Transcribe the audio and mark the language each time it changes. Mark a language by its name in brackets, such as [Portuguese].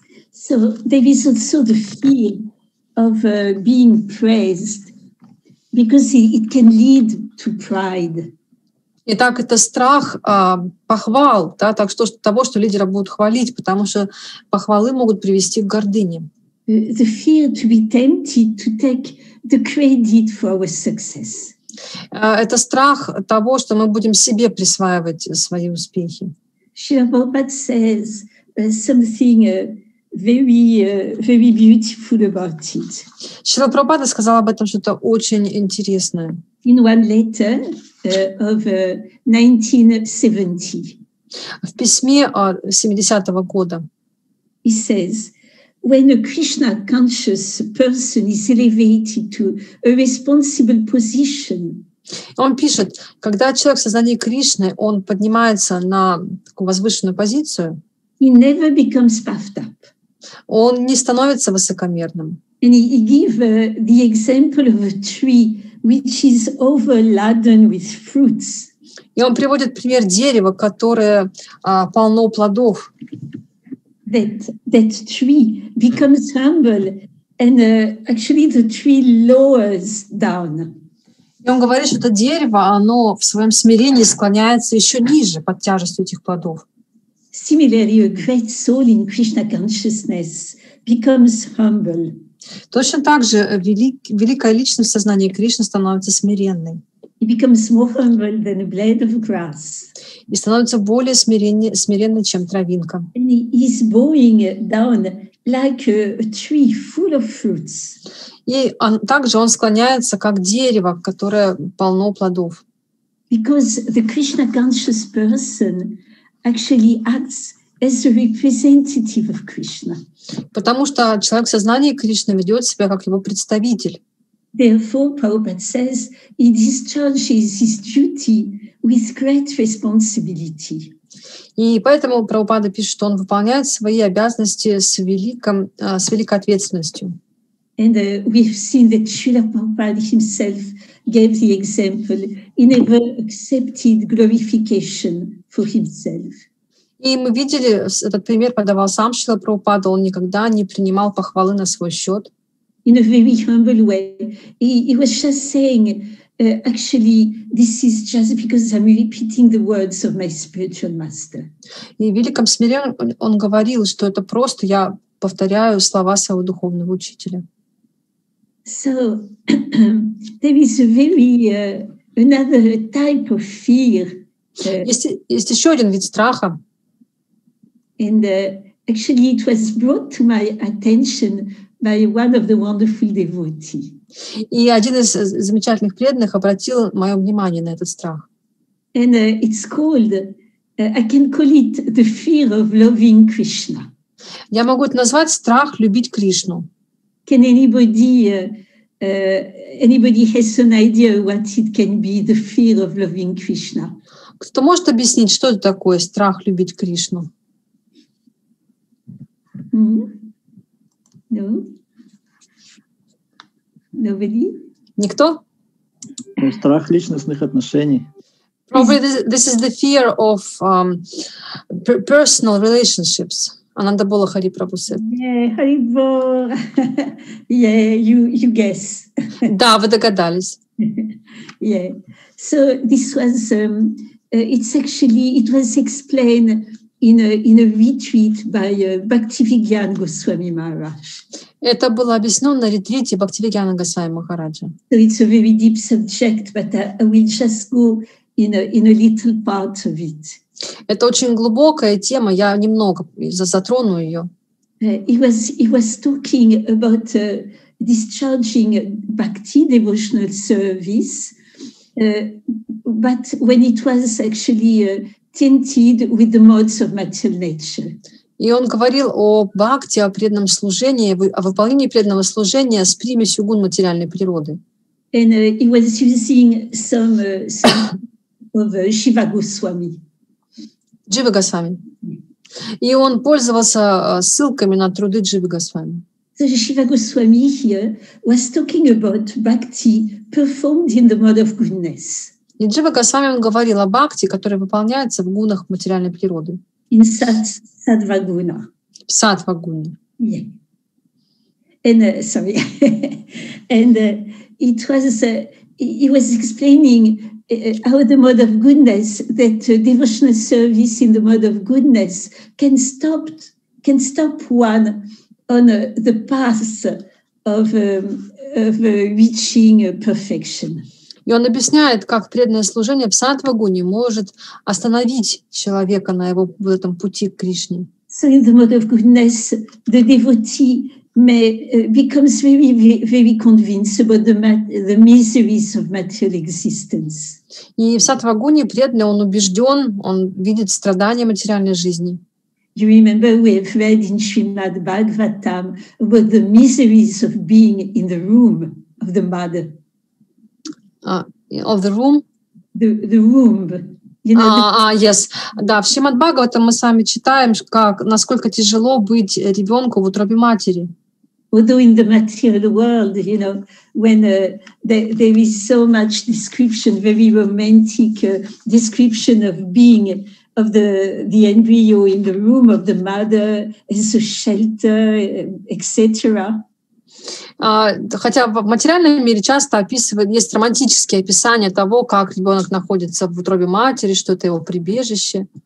[English] So there is also the fear of being praised, because it can lead to pride. [Russian] Итак, это страх похвал, да, так что того, что лидера будут хвалить, потому что похвалы могут привести к гордыне. [English] The fear to be tempted to take the credit for our success. [Russian] Это страх того, что мы будем себе присваивать свои успехи. [English] Шрила Прабхупада says something very beautiful about it. [Russian] Шрила Прабхупада сказал об этом что-то очень интересное. [English] In one letter of 1970. [Russian] В письме 70-го года. [English] He says, when a Krishna conscious person is elevated to a responsible position. [Russian] Он пишет, когда человек в сознании Кришны, он поднимается на такую возвышенную позицию. [English] He never becomes puffed up. [Russian] Он не становится высокомерным. [English] And he gives the example of a tree which is overladen with fruits. [Russian] И он приводит пример дерева, которое полно плодов. [English] That tree becomes humble and actually the tree lowers down. [Russian] И он говорит, что это дерево, оно в своем смирении склоняется еще ниже под тяжестью этих плодов. [English] Similarly, a great soul in Krishna consciousness becomes humble. [Russian] Точно так же великая личность в сознании Кришны становится смиренной. [English] He becomes more humble than a blade of grass. [Russian] И становится более смиренной, чем травинка. [English] And he is bowing down like a tree full of fruits. [Russian] И он, также он склоняется, как дерево, которое полно плодов. [English] Because the Krishna conscious person actually acts as a representative of Krishna. [Russian] Потому что человек в сознании Кришны ведет себя как его представитель. [English] Therefore, Prabhupada says, he discharges his duty with great responsibility. [Russian] И поэтому Прабхупада пишет, что он выполняет свои обязанности с великой ответственностью. [English] And we've seen that Srila Prabhupada himself gave the example. He never accepted glorification for himself. [Russian] И мы видели, этот пример подавал сам Шрила Прабхупада, он никогда не принимал похвалы на свой счет. [English] In a very humble way. He was just saying, actually, this is just because I'm repeating the words of my spiritual master. [Russian] И в великом смирении он говорил, что это просто я повторяю слова своего духовного учителя. [English] So there is a very another type of fear. [Russian] Есть еще один вид страха. [English] And actually, it was brought to my attention by one of the wonderful devotees. [Russian] И один из замечательных преданных обратил мое внимание на этот страх. [English] And it's called, I can call it the fear of loving Krishna. [Russian] Я могу это назвать страх любить Кришну. [English] Can anybody anybody has an idea what it can be, the fear of loving Krishna? [Russian] Кто может объяснить, что это такое страх любить Кришну? [English] No. Nobody? [Russian] Никто? Страх личностных отношений. [English] Probably this is the fear of personal relationships. Ананда Бола Хари Прабху said. Yeah, Хари Бол. Yeah, you guess. [Russian] Да, вы догадались. [English] Yeah. So this was it was explained in a retreat by Bhaktivedanta Goswami Maharaj. [Russian] Это было объяснено на ретрите Бхактивиджана Госвами Махараджа. [English] So it's a very deep subject, but I will just go in a little part of it. [Russian] Это очень глубокая тема, я немного затрону ее. [English] He was talking about discharging bhakti devotional service, but when it was actually tainted with the modes of material nature. [Russian] И он говорил о бхакти, о преданном служении, о выполнении преданного служения с примесью гун материальной природы. [English] And he was using some of Shiva Goswami. [Russian] Джива Госвами. И он пользовался ссылками на труды Джива Госвами. [English] So Shiva Goswami here was talking about bhakti performed in the mode of goodness. [Russian] И Джива Госвами он говорил о бхакти, которая выполняется в гунах материальной природы. [English] In sattva guna. сад в огонь. Yeah. And sorry. And he was explaining how the mode of goodness, that devotional service in the mode of goodness can stop one on the path of reaching perfection. [Russian] И он объясняет, как преданное служение в сатвагуне может остановить человека на его в этом пути к Кришне. [English] So in the mode of goodness, the devotee becomes very, very convinced about the miseries of material existence. [Russian] И в сатвагуне преданный, он убежден, он видит страдания материальной жизни. [English] You remember we have read in Srimad Bhagavatam about the miseries of being in the room of the mother. Of the room? The room. Yes. [Russian] Да, в Шримад Бхагаватам мы с вами читаем, как, насколько тяжело быть ребенку в утробе матери. [English] Although in the material world, you know, when there is so much description, very romantic description of being of the embryo in the room of the mother as a shelter, etc. [Russian] Хотя в материальном мире часто описывают, есть романтические описания того, как ребенок находится в утробе матери, что это его прибежище.